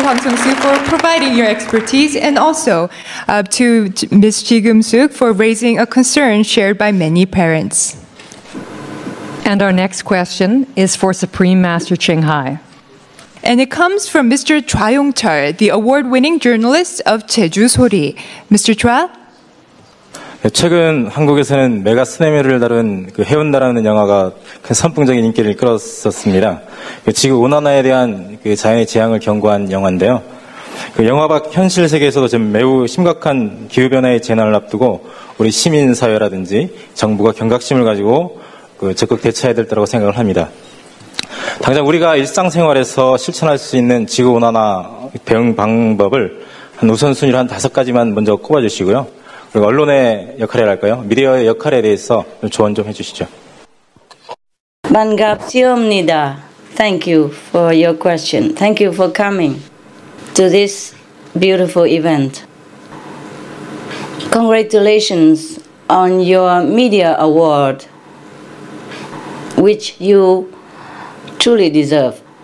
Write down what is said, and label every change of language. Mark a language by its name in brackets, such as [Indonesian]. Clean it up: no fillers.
[English] Hwang Sung-soo for providing your expertise and also to Ms. Ji Geum-suk for raising a concern shared by many parents. And our next question is for Supreme Master Ching Hai. And it comes from Mr. Chwa Yong-chul, the award-winning journalist of Jeju Sori. Mr. Chwa? [Korean] 최근 한국에서는 메가 쓰나미를 다룬 그 해운다라는 영화가 큰 선풍적인 인기를 끌었었습니다. 그 지구 온난화에 대한 그 자연의 재앙을 경고한 영화인데요. 그 영화 밖 현실 세계에서도 지금 매우 심각한 기후변화의 재난을 앞두고 우리 시민사회라든지 정부가 경각심을 가지고 그 적극 대처해야 될 거라고 생각을 합니다. 당장 우리가 일상생활에서 실천할 수 있는 지구 온난화 대응 방법을 한 우선순위로 한 다섯 가지만 먼저 꼽아주시고요. 그리고 언론의 역할을 할까요? 미디어의 역할에 대해서 조언 좀 해주시죠. 반갑습니다. [English] Thank you for your question. Thank you for coming to this beautiful event. Congratulations on your media award, which you truly deserve.